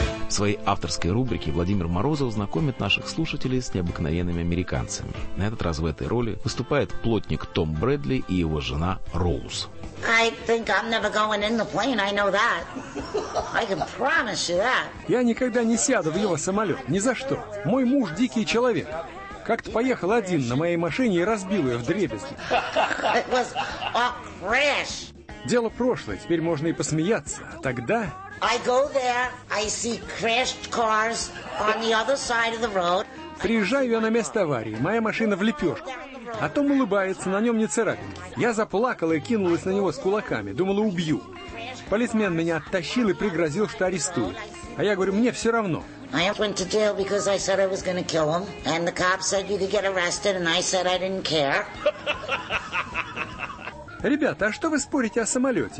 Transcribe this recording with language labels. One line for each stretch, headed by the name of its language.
Russian: В своей авторской рубрике Владимир Морозов знакомит наших слушателей с необыкновенными американцами. На этот раз в этой роли выступает плотник Том Брэдли и его жена Роуз.
English: I think I'm never going in the plane, I know that. I can promise you that.
Russian: Я никогда не сяду в его самолет, ни за что. Мой муж дикий человек. Как-то поехал один на моей машине и разбил ее вдребезги.
English: It was a crash.
Russian: Дело прошлое, теперь можно и посмеяться. Тогда...
English: I go there, I see crashed cars on the other side of the road.
Russian: Приезжаю я на место аварии, моя машина в лепешку. А Том улыбается, на нем не царапинки. Я заплакала и кинулась на него с кулаками, думала, убью. Полисмен меня оттащил и пригрозил, что арестует. А я говорю, мне все равно.
English: I went to jail because I said I was going to kill him. And the cops said you could get arrested, and I said I didn't care.
Russian: Ребята, а что вы спорите о самолете?